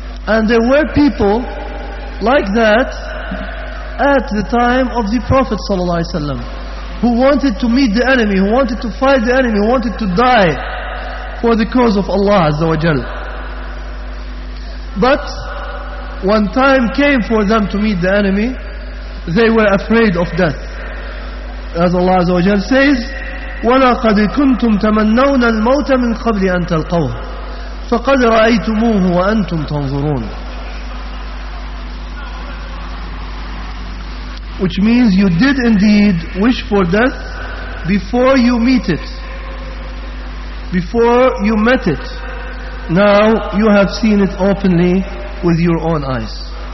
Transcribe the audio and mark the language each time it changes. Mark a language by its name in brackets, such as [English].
[English] And there were people like that at the time of the Prophet ﷺ, who wanted to meet the enemy, who wanted to fight the enemy, who wanted to die for the cause of Allah Azza wa Jalla. But when time came for them to meet the enemy, they were afraid of death. As Allah Azza wa Jalla says, [Arabic] وَلَقَدْ كُنْتُمْ تَمَنَّوْنَ الْمَوْتَ مِنْ قَبْلِ أَنْ تَلْقَوْهُ فَقَدْ رَأَيْتُمُوهُ وَأَنْتُمْ تَنْظُرُونَ. [English] which means you did indeed wish for death before you meet it, before you met it. Now you have seen it openly with your own eyes.